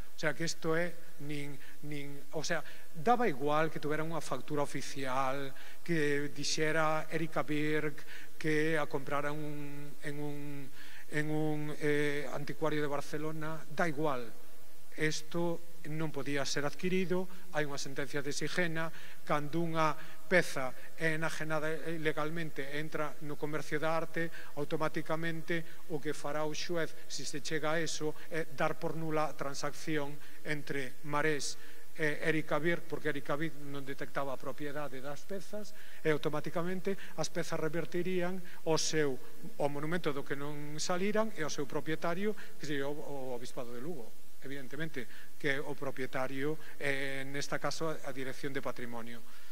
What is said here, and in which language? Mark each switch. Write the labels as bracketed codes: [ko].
[es] O sea, que esto es o sea, daba igual que tuviera una factura oficial, que dijera Erika Birk que a comprar en un anticuario de Barcelona, da igual. Esto [gl] non podía ser adquirido, hai unha sentencia de Sigena, cando unha peza é enajenada ilegalmente, entra no comercio da arte, automáticamente o que fará o xuez, se se chega a eso, é dar por nula a transacción entre Marés e Erika Vir, porque Erika Vir non detectaba a propiedade das pezas, e automáticamente as pezas revertirían o seu o monumento do que non saliran e o seu propietario, que sería o Obispado de Lugo. Evidentemente que o propietario, en esta caso a Dirección de Patrimonio.